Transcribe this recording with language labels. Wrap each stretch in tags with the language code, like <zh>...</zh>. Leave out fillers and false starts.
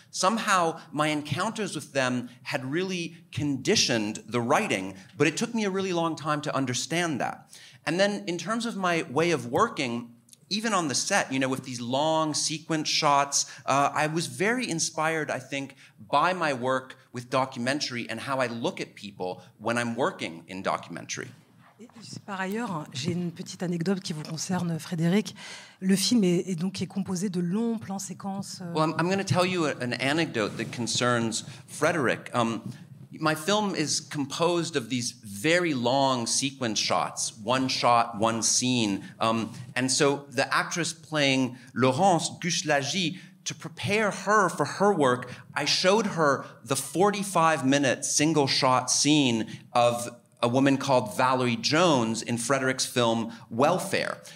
<en>Somehow, my encounters with them had really conditioned the writing, but it took me a really long time to understand that. And then in terms of my way of working, even on the set, you know, with these long sequence shots, I was very inspired, I think, by my work with documentary and how I look at people when I'm working in documentary.</en> <fr>Par ailleurs, j'ai une petite anecdote qui vous concerne, Frédéric. Le film est donc composé de longs plans séquences.</fr> <en>Well, I'm going to tell you an anecdote that concerns Frédéric. My film is composed of these very long sequence shots, one scene. And so the actress playing Laurence Guchelagy, to prepare her for her work, I showed her the 45-minute single shot scene of a woman called Valerie Jones in Frederick's film Welfare.</en>